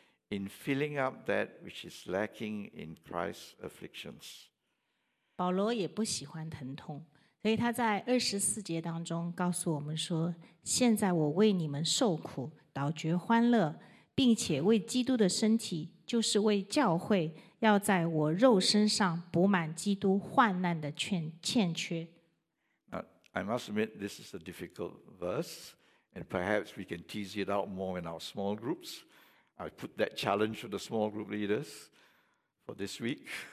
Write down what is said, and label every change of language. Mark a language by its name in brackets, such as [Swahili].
[English] In filling up that which is lacking in Christ's afflictions. [Chinese] 保罗也不喜欢疼痛，所以他在二十四节当中告诉我们说：“现在我为你们受苦，倒觉欢乐，并且为基督的身体，就是为教会，要在我肉身上补满基督患难的欠缺。” [English] I must admit this is a difficult verse, and perhaps we can tease it out more in our small groups. I put that challenge to the small group leaders for this week.